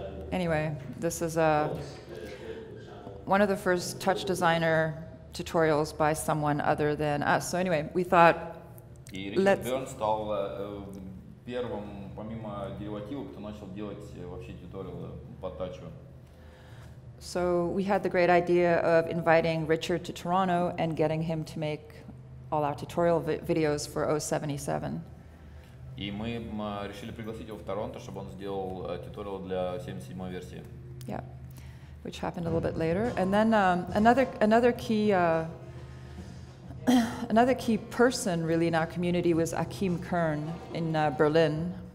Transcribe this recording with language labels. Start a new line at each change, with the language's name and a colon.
English: Anyway, this is one of the first TouchDesigner tutorials by someone other than us. So anyway, we thought...
Russian: И Ричард Бёрн стал первым, помимо деривативов, кто начал делать вообще тьюториалы по тачу.
English: So we had the great idea of inviting Richard to Toronto and getting him to make all our tutorial videos for 077.
Russian: И мы решили пригласить его в Торонто, чтобы он сделал тьюториал для 77-й версии.
English: Yeah, which happened a little bit later. And then another key... Another key person really in our community was Achim Kern in Berlin.